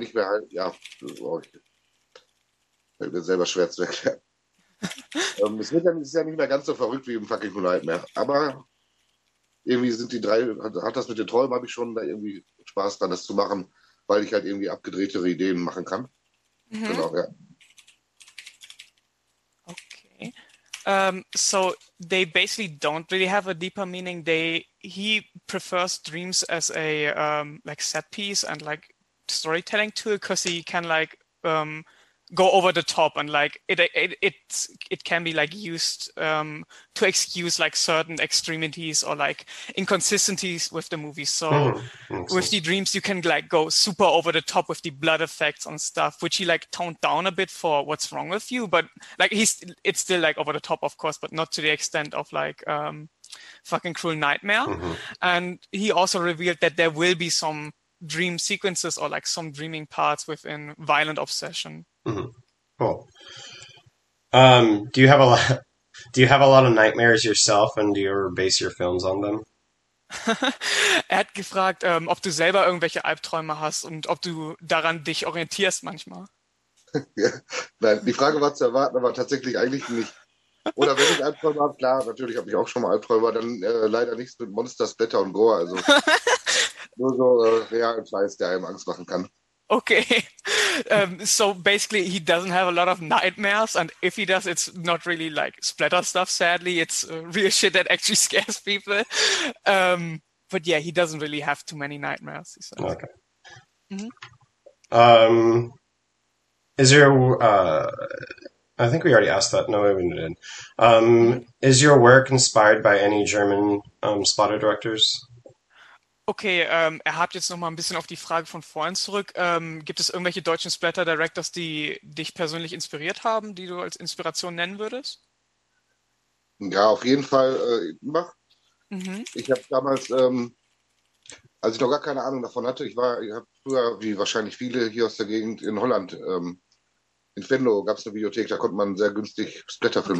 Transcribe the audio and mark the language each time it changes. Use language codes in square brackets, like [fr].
[de] nicht mehr halt, ja, fällt mir selber schwer zu erklären. Es ist ja nicht mehr ganz so verrückt wie im Fucking Tonight mehr. Aber irgendwie sind die drei, hat das mit den Träumen, habe ich schon da irgendwie Spaß dran, das zu machen, weil ich halt irgendwie abgedrehtere Ideen machen kann. Genau, ja. [en] Okay. So they basically don't really have a deeper meaning. He prefers dreams as a like set piece and like storytelling tool, because he can like go over the top, and like it can be like used to excuse like certain extremities or like inconsistencies with the movie. So Makes with the sense. dreams, you can like go super over the top with the blood effects and stuff, which he like toned down a bit for What's Wrong with You. But like it's still like over the top, of course, but not to the extent of like Fucking Cruel Nightmare. And he also revealed that there will be some dream sequences or like some dreaming parts within Violent Obsession. Cool. Do you have a lot of nightmares yourself, and do you ever base your films on them? [de] hat gefragt, ob du selber irgendwelche Albträume hast und ob du daran dich orientierst manchmal. Ja, nein, die Frage war zu erwarten, aber tatsächlich eigentlich nicht. Oder wenn ich Albträume habe, klar, natürlich habe ich auch schon mal Albträume, dann leider nichts mit Monster-Splatter und Gore, also nur so realen Scheiß, der einem Angst machen kann. [en] Okay. So basically he doesn't have a lot of nightmares, and if he does, it's not really like splatter stuff, sadly. It's real shit that actually scares people. But yeah, he doesn't really have too many nightmares, he says. Okay. Is your I think we already asked that. No, we didn't. Is your work inspired by any German spotter directors? [de] Okay, er hat jetzt noch mal ein bisschen auf die Frage von vorhin zurück. Gibt es irgendwelche deutschen Splatter-Directors, die dich persönlich inspiriert haben, die du als Inspiration nennen würdest? Ja, auf jeden Fall. Ich habe damals, als ich noch gar keine Ahnung davon hatte, ich habe früher, wie wahrscheinlich viele hier aus der Gegend in Holland, in Venlo gab es eine Videothek, da konnte man sehr günstig Splatterfilme